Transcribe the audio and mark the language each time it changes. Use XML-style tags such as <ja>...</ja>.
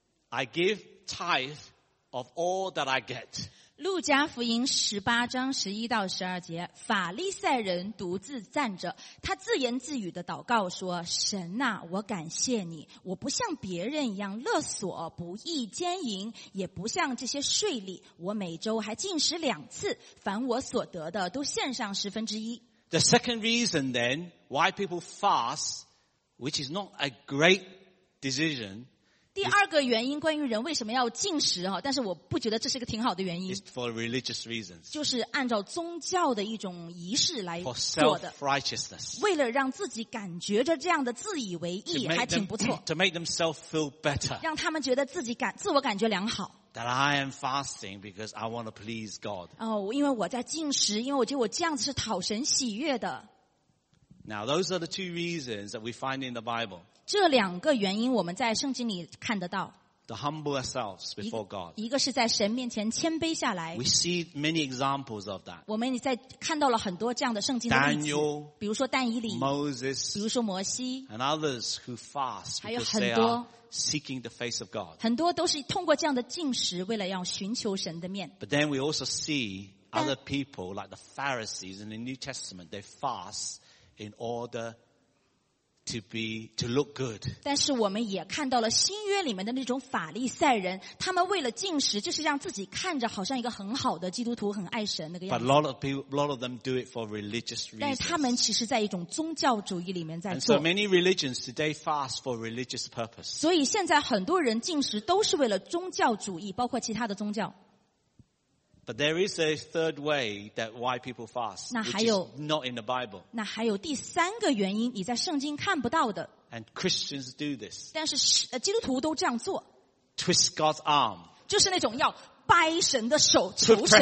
<en>I give tithe of all that I get.</en> <zh>路加福音十八章十一到十二节，法利赛人独自站着，他自言自语的祷告说：“神呐、啊，我感谢你，我不像别人一样勒索、不义奸淫，也不像这些税吏，我每周还禁食两次，凡我所得的都献上十分之一。”</zh> <en>The second reason then why people fast, which is not a great decision.</en> <zh>第二个原因关于人为什么要禁食哈，但是我不觉得这是个挺好的原因。</zh> <en>Is for religious reasons.</en> <zh>就是按照宗教的一种仪式来做的。</zh> <en>For self-righteousness.</en> <zh>为了让自己感觉着这样的自以为意还挺不错。</zh> <en>To make themselves feel better.</en> <zh>让他们觉得自我感觉良好。</zh> <en>That I am fasting because I want to please God.</en> <zh>Oh, 因为我在禁食，因为我觉得我这样子是讨神喜悦的。</zh> <en>Now, those are the two reasons that we find in the Bible.</en> <zh>这两个原因我们在圣经里看得到。</zh> <en>to humble ourselves before God.</en> <zh>一个是在神面前谦卑下来。</zh> <en>We see many examples of that.</en> <zh>我们在看到了很多这样的圣经的例子。</zh> <en>Daniel,</en> <zh>比如说但以理，</zh> <en>Moses,</en> <zh>比如说摩西，</zh> <en>and others who fast,</en> <zh>还有很多</zh> <en>seeking the face of God.</en> <zh>很多都是通过这样的禁食，为了要寻求神的面。</zh> <en>But then we also see other people like the Pharisees in the New Testament. They fast in order. To look good.</en> <zh>但是我们也看到了新约里面的那种法利赛人，他们为了禁食，就是让自己看着好像一个很好的基督徒，很爱神那个样子。</zh> <en>But a lot of them do it for religious reasons.</en> <zh>但是他们其实在一种宗教主义里面在做。</zh> <en>And so many religions today fast for religious purpose.</en> <zh>所以现在很多人禁食都是为了宗教主义，包括其他的宗教。</zh> <en>But there is a third way that why people fast, which is not in the Bible.</en> <zh>那还有第三个原因，你在圣经看不到的。</zh> <en>And Christians do this.</en> <zh>但是基督徒都这样做。</zh> <en>Twist God's arm.</en> <zh>就是那种要掰神的手，求神。</zh>